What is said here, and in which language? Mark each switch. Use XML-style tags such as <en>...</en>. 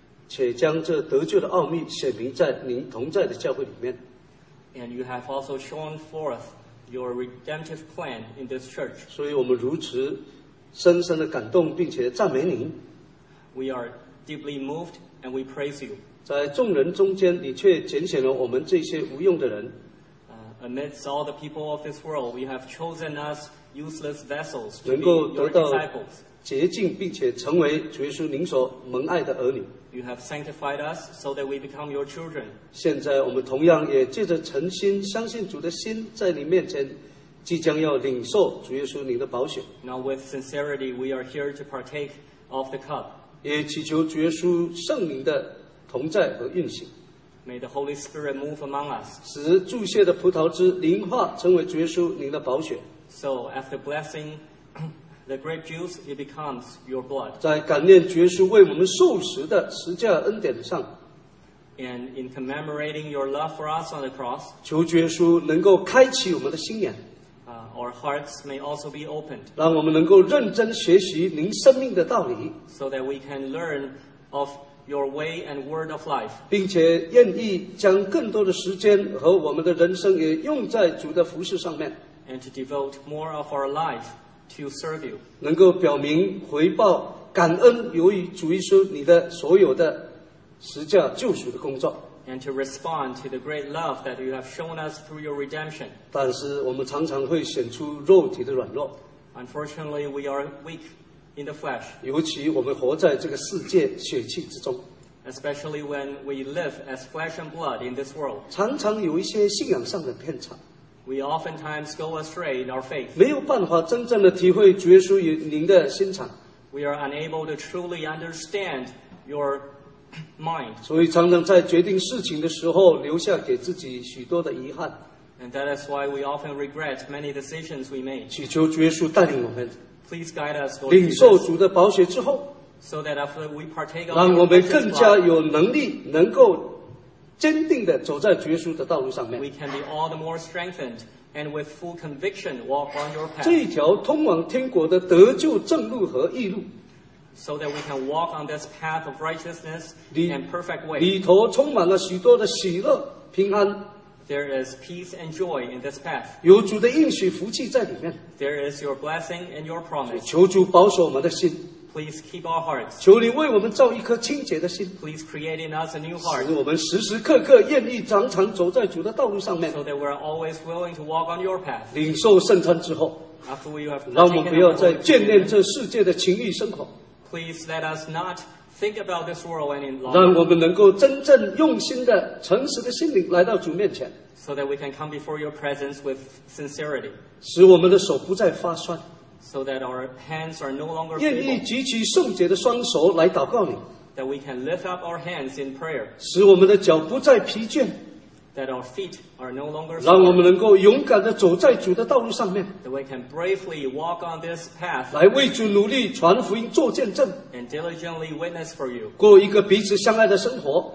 <zh>且将这得救的奥秘显明在您同在的教会里面。</zh> <en>And you have also shown forth your redemptive plan in this church.</en> <zh>所以我们如此深深的感动并且赞美您。</zh> <en>We are deeply moved and we praise you.</en> <zh>在众人中间你却拣选了我们这些无用的人。</zh> <en>Amidst all the people of this world, we have chosen us useless vessels to be your disciples.</en> <zh>洁净并且成为主耶稣您所蒙爱的儿女。</zh> <en>You have sanctified us so that we become your children.</en> <zh>现在我们同样也借着诚心相信主的心在你面前即将要领受主耶稣您的宝血。</zh> <en>Now with sincerity we are here to partake of the cup.</en> <zh>也祈求主耶稣圣灵的同在和运行。</zh> <en>May the Holy Spirit move among us.</en> <zh>使祝谢的葡萄汁灵化成为主耶稣您的宝血。</zh> <en>So after blessing the grape juice, it becomes your blood.</en> <zh>在感念主耶稣为我们受死的十架恩典上。</zh> <en>And in commemorating your love for us on the cross,</en> <zh>求主耶稣能够开启我们的心眼。</zh> <en>Our hearts may also be opened.</en> <zh>让我们能够认真学习您生命的道理。</zh> <en>So that we can learn of your way and word of life.</en> <zh>并且愿意将更多的时间和我们的人生也用在主的服事上面。</zh> <en>And to devote more of our life to serve you.</en> <zh>能够表明回报感恩由于主耶稣你的所有的十架救赎的工作。</zh> <en>And to respond to the great love that you have shown us through your redemption.</en> <zh>但是我们常常会显出肉体的软弱。</zh> <en>Unfortunately, we are weak in the flesh.</en> <zh>尤其我们活在这个世界血气之中。</zh> <en>Especially when we live as flesh and blood in this world.</en> <zh>常常有一些信仰上的偏差。</zh> <en>We oftentimes go astray in our faith.</en> <zh>没有办法真正的体会主耶稣与您的心肠。</zh> <en>We are unable to truly understand your mind.</en> <zh>所以常常在决定事情的时候留下给自己许多的遗憾。</zh> <en>And that is why we often regret many decisions we made.</en> <zh>祈求主耶稣带领我们。</zh> <en>Please guide us, Lord.</en> <zh>领受主的宝血之后。</zh> <en>So that after we partake of the</en> <zh>让我们更加有能力能够坚定地走在主耶稣的道路上面。</zh> <en>We can be all the more strengthened and with full conviction walk on your path.</en> <zh>这一条通往天国的得救正路和义路。</zh> <en>So that we can walk on this path of righteousness and perfect way.</en> <zh>里头充满了许多的喜乐平安。</zh> <en>There is peace and joy in this path.</en> <zh>有主的应许福气在里面。</zh> <en>There is your blessing and your promise.</en> <zh>求主保守我们的心。</zh> <en>Please keep our hearts.</en> <zh>求你为我们造一颗清洁的心。</zh> <en>Please create in us a new heart.</en> <zh>使我们时时刻刻愿意常常走在主的道路上面。</zh> <en>So that we are always willing to walk on your path.</en> <zh>领受圣餐之后。</zh> <en>After we have</en> <zh>让我们不要再眷恋这世界的情欲生活。</zh> <en>Please let us not think about this world any longer.</en> <zh>让我们能够真正用心的、诚实的心灵来到主面前。</zh> <en>So that we can come before your presence with sincerity.</en> <zh>使我们的手不再发酸。</zh> <en>So that our hands are no longer feeble.</en> <zh>愿意举起圣洁的双手来祷告你。</zh> <en>That we can lift up our hands in prayer.</en> <zh>使我们的脚不再疲倦。</zh> <en>That our feet are no longer sore.</en> <zh>让我们能够勇敢地走在主的道路上面。</zh> <en>That we can bravely walk on this path.</en> <zh>来为主努力传福音做见证。</zh> <en>And diligently witness for you.</en> <zh>过一个彼此相爱的生活。</zh>